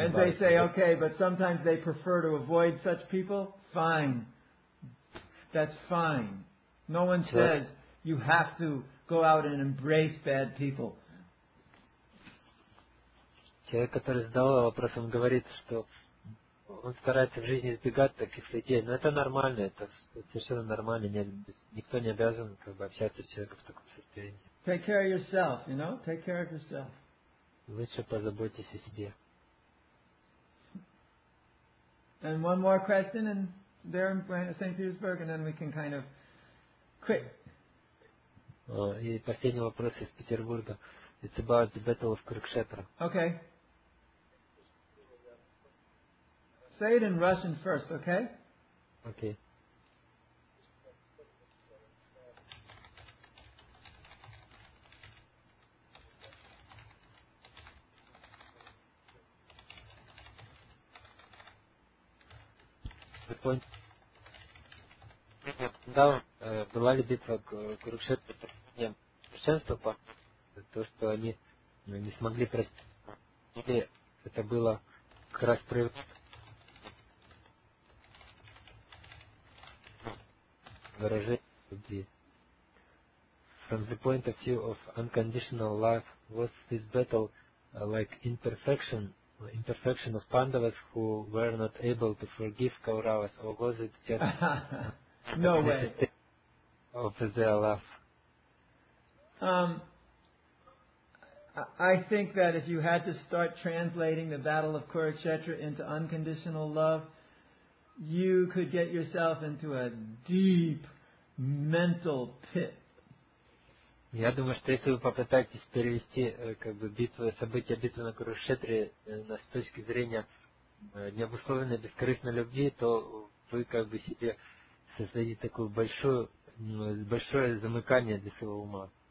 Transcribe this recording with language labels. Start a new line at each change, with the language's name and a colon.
English: And they say, okay, but sometimes they prefer to avoid such people. Fine. That's fine. No one says you have to go out and embrace bad people.
Russian: Человек, который задал вопрос, он говорит, что он старается в жизни избегать таких людей. Но это нормально, это совершенно нормально. Никто не обязан как бы общаться с человеком в таком состоянии.
English: Take care of yourself, you know? Take care of yourself.
Russian: Лучше позаботьтесь о себе.
English: And one more question, and there in St. Petersburg, and then we can kind of quit.
Russian: И последний вопрос из Петербурга.
English: It's about the battle of Kurukshetra. Okay. Say it in Russian first, okay? Okay.
Russian: Да, была ли битва Курукшетра с проявлением священства, то, что они не смогли простить, или это было как раз выражение любви.
English: From the point of view of unconditional love, was this battle like imperfection? Imperfection of Pandavas who were not able to forgive Kauravas, or was it just no way of their love? I think that if you had to start translating the Battle of Kurukshetra into unconditional love, you could get yourself into a deep mental pit.
Russian: Я думаю, что если вы попытаетесь перевести как бы битвы, события битвы на Курукшетре с точки зрения необусловленной бескорыстной любви, то вы как бы себе создаете такое большое замыкание для своего ума.